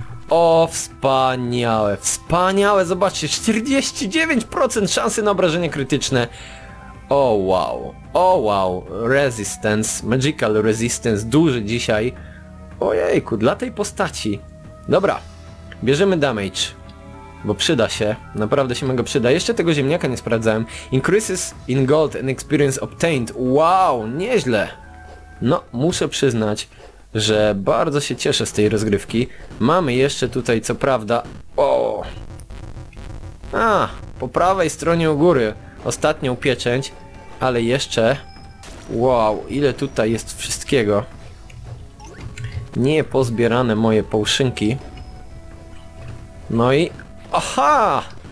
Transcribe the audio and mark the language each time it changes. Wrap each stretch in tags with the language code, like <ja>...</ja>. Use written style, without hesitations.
<pl>O, wspaniałe, wspaniałe, zobaczcie, 49% szansy na obrażenia krytyczne.</pl> <en>O wow, resistance, magical resistance,</en> <pl>duży dzisiaj. Ojejku, dla tej postaci. Dobra, bierzemy damage, bo przyda się, naprawdę się mega przyda. Jeszcze tego ziemniaka nie sprawdzałem.</pl> <en>Increases in gold and experience obtained, wow,</en> <pl>nieźle. No, muszę przyznać, że bardzo się cieszę z tej rozgrywki. Mamy jeszcze tutaj co prawda... O! A! Po prawej stronie u góry ostatnią pieczęć, ale jeszcze... Wow, ile tutaj jest wszystkiego. Niepozbierane moje połszynki. No i... Aha!</pl>